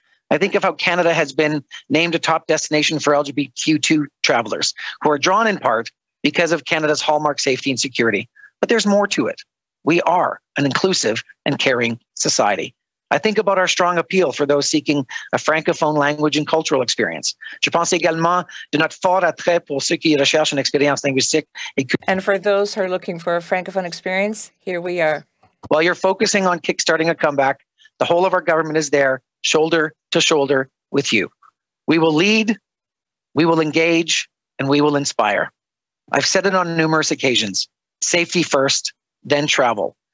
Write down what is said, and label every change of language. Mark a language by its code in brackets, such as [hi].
[en] I think of how Canada has been named a top destination for LGBTQ2 travelers, who are drawn in part because of Canada's hallmark safety and security. But there's more to it. We are an inclusive and caring society. I think about our strong appeal for those seeking a francophone language and cultural experience. [fr] Je pense également de notre fort attrait pour ceux qui recherchent une expérience linguistique. [en] And for those who are looking for a francophone experience, here we are. While you're focusing on kickstarting a comeback, the whole of our government is there, shoulder to shoulder with you. We will lead, we will engage, and we will inspire. I've said it on numerous occasions, safety first, then travel.